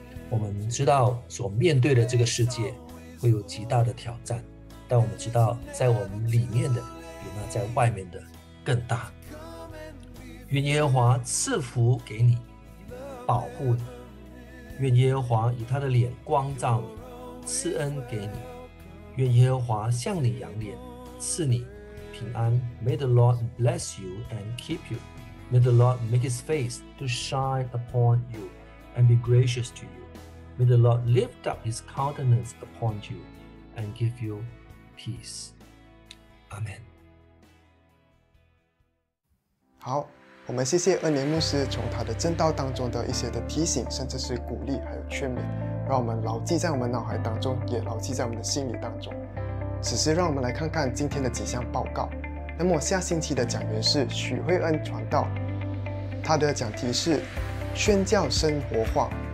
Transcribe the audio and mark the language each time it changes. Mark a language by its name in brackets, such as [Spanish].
[Chinese] 我们知道所面对的这个世界会有极大的挑战，但我们知道在我们里面的比那在外面的更大。愿耶和华赐福给你，保护你，愿耶和华以他的脸光照你，赐恩给你，愿耶和华向你扬脸，赐你平安。 [English] May the Lord bless you and keep you. May the Lord make his face to shine upon you and be gracious to you. May the Lord lift up his countenance upon you and give you peace. Amen. [Chinese] 好，我们谢谢恩年牧师从他的正道当中的一些的提醒，甚至是鼓励还有劝勉，让我们牢记在我们脑海当中，也牢记在我们的心里当中。此时让我们来看看今天的几项报告。那么下星期的讲员是许慧恩传道，他的讲题是宣教生活化。